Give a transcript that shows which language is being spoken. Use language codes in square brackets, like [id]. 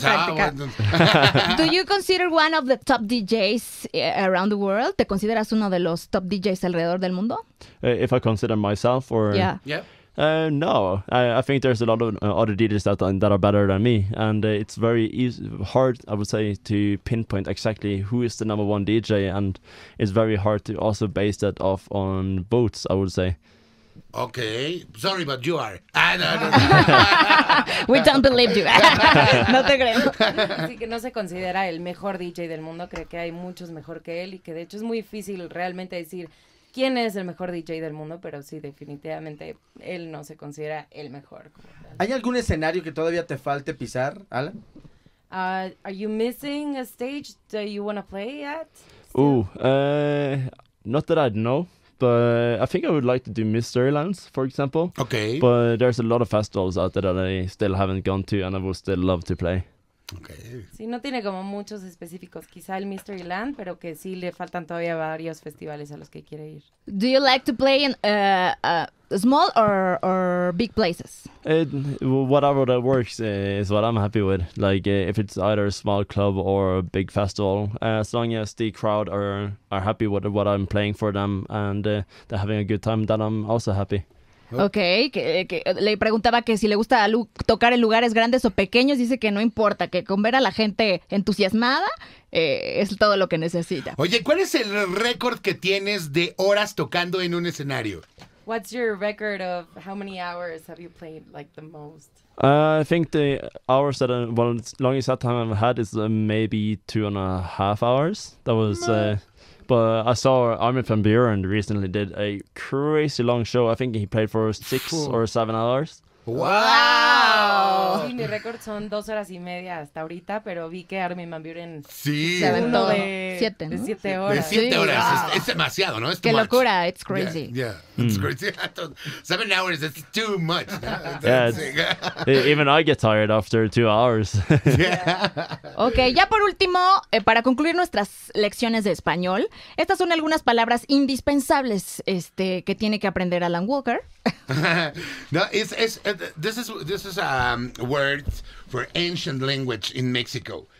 [en] Do you consider one of the top DJs around the world? [es] ¿Te consideras uno de los top DJs alrededor del mundo? [en] If I consider myself or... Yeah. Yep. No, I think there's a lot of other DJs that are better than me, and it's very hard, I would say, to pinpoint exactly who is the number one DJ, and it's very hard to also base that off on votes, I would say. Okay, sorry, but you are. Ah, no, no, no. We don't believe you. [es] No te creemos. Así que no se considera el mejor DJ del mundo. Cree que hay muchos mejor que él y que de hecho es muy difícil realmente decir quién es el mejor DJ del mundo, pero sí, definitivamente él no se considera el mejor. ¿Hay algún escenario que todavía te falte pisar, Alan? [en] Are you missing a stage that you want to play at? Not that I know. But I think I would like to do Mysterylands, for example. Okay. But there's a lot of festivals out there that I still haven't gone to and I would still love to play. Okay. [es] Sí, no tiene como muchos específicos. Quizá el Mysteryland, pero que sí le faltan todavía varios festivales a los que quiere ir. [en] Do you like to play in small or big places? Whatever that works is what I'm happy with. Like if it's either a small club or a big festival, as long as the crowd are happy with what I'm playing for them and they're having a good time, then I'm also happy. [es] Okay, que le preguntaba que si le gusta tocar en lugares grandes o pequeños, dice que no importa, que con ver a la gente entusiasmada es todo lo que necesita. Oye, ¿cuál es el récord que tienes de horas tocando en un escenario? [en] What's your record of how many hours have you played like the most? I think the hours that longest time I've had is maybe 2.5 hours. That was But I saw Armin van Buuren recently did a crazy long show. I think he played for 6 or 7 hours. Wow. [es] Sí, mi récord son 2.5 horas hasta ahorita, pero vi que Armin van Buuren sí. Se aventó de siete horas. Sí. Es demasiado, ¿no? Es qué [en] too [es] locura, [en] much. It's crazy. It's crazy. 7 hours is too much. No? even I get tired after 2 hours. Yeah. [es] Okay, ya por último, para concluir nuestras lecciones de español, estas son algunas palabras indispensables que tiene que aprender Alan Walker. [en] No, this is a word for ancient language in Mexico.